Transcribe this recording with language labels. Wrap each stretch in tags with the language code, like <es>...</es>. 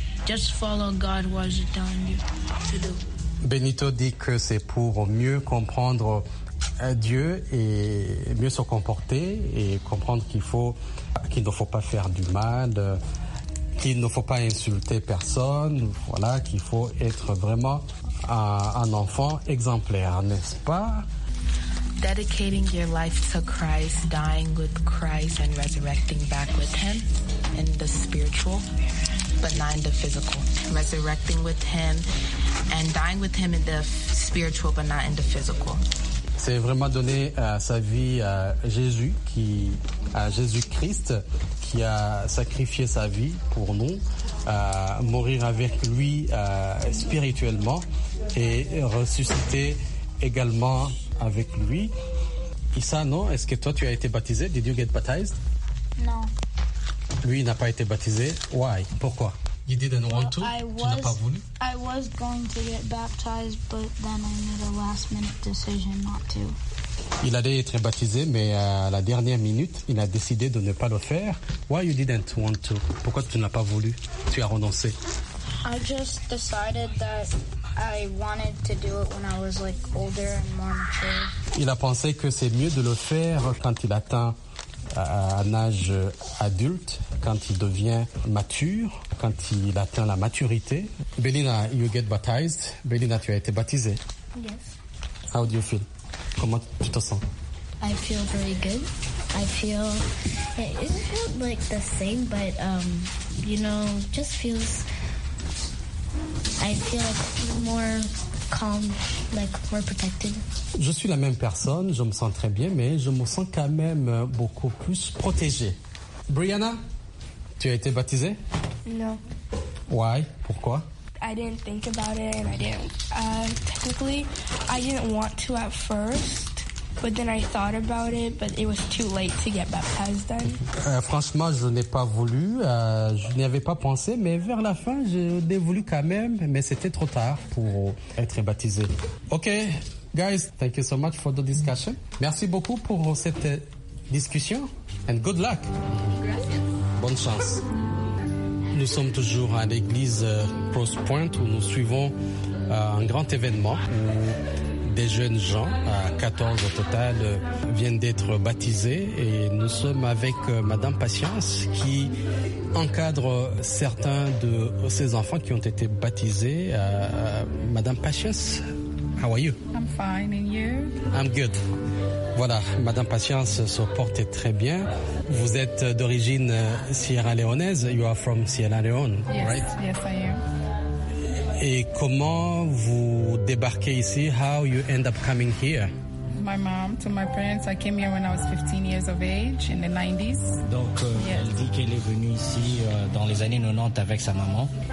<en>Just follow God, what is he telling you to do.</en> <fr>Benito dit que c'est pour mieux comprendre Dieu et mieux se comporter et comprendre qu'il ne faut pas faire du mal, qu'il ne faut pas insulter personne, voilà, qu'il faut être vraiment un enfant exemplaire, n'est-ce pas?</fr> <en>Dedicating your life to Christ, dying with Christ and resurrecting back with him in the spiritual, but not in the physical. Resurrecting with him and dying with him in the spiritual, but not in the physical.</en> <fr>C'est vraiment donner sa vie à Jésus, à Jésus-Christ, qui a sacrifié sa vie pour nous, mourir avec lui spirituellement et ressusciter également avec lui. Issa, non? Est-ce que toi, tu as été baptisé?</fr> <en>Did you get baptized?</en> <fr>Non. Lui, il n'a pas été baptisé.</fr> <en>Why?</en> <fr>Pourquoi?</fr> <en>You didn't want to?</en> <fr>Tu n'as pas voulu?</fr> <en>I was going to get baptized, but then I made a last-minute decision not to.</en> <fr>Il allait être baptisé, mais à la dernière minute, il a décidé de ne pas le faire.</fr> <en>Why you didn't want to?</en> <fr>Pourquoi tu n'as pas voulu? Tu as renoncé?</fr> <en>I just decided that I wanted to do it when I was like older and more mature.</en> <fr>Il a pensé que c'est mieux de le faire quand il atteint un âge adulte, quand il devient mature, quand il atteint la maturité.</fr> <en>Belina, you get baptized.</en> <fr>Belina, tu as été baptisée.</fr> <en>Yes. How do you feel?</en> <fr>Comment tu te sens?</fr> <en>I feel very good. I feel, it isn't like the same, but, you know, just feels, I feel more calm, like more protected.</en> <fr>Je suis la même personne, je me sens très bien, mais je me sens quand même beaucoup plus protégée. Brianna, tu as été baptisée? Non.</fr> <en>Why? Pourquoi? I didn't think about it and I didn't. Technically, I didn't want to at first, but then I thought about it, but it was too late to get baptized then.</en> <fr>Franchement, je n'ai pas voulu, je n'y avais pas pensé, mais vers la fin, je l'ai voulu quand même, mais c'était trop tard pour être baptisée.</fr> <en>Ok. Guys, thank you so much for the discussion.</en> <fr>Merci beaucoup pour cette discussion.</fr> <en>And good luck.</en> <fr>Bonne chance. Nous sommes toujours à l'église Cross Point où nous suivons un grand événement où des jeunes gens, 14 au total, viennent d'être baptisés. Et nous sommes avec Madame Patience qui encadre certains de ces enfants qui ont été baptisés.</fr> <en>Madame Patience, how are you? Fine, and you? I'm good.</en> <fr>Voilà, Madame Patience se porte très bien. Vous êtes d'origine Sierra Leonaise.</fr> <en>You are from Sierra Leone, yes, right? Yes, I am.</en> <fr>Et comment vous débarquez ici?</fr> <en>How you end up coming here? My mom to my parents. I came here when I was 15 years of age in the 90s.</en> <fr>Donc,</fr> <en>yes.</en> <fr>Elle dit qu'elle est venue ici dans les années 90 avec sa maman.</fr>